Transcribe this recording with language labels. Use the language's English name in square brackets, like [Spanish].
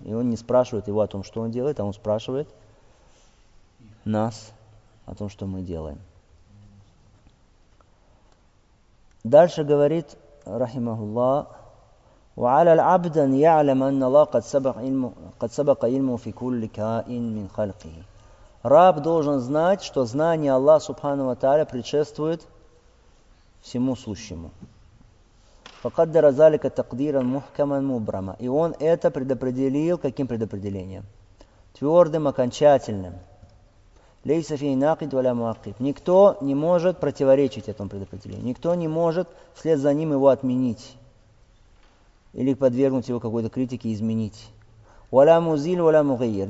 [Russian] И он не спрашивает его о том, что он делает, а он спрашивает нас о том, что мы делаем. Дальше говорит, рахимахуллах, [Arabic] وعلى العبد أن يعلم أن الله قد سبق علمه في كل كائن من خلقه. [Russian] Раб должен знать, что знание Аллаха [Arabic] سبحانه وتعالى [Russian] предшествует всему сущему. [Arabic] فقدر ذلك تقديرا محكما مبرما. [Russian] И он это предопределил каким предопределением? Твердым, окончательным. [Arabic] ليس فيه ناقد ولا معقب. [Russian] Никто не может противоречить этому предопределению. Никто не может вслед за ним его отменить. Или подвергнуть его какой-то критике и изменить. [Arabic] «Валя музиль, валя мугайир».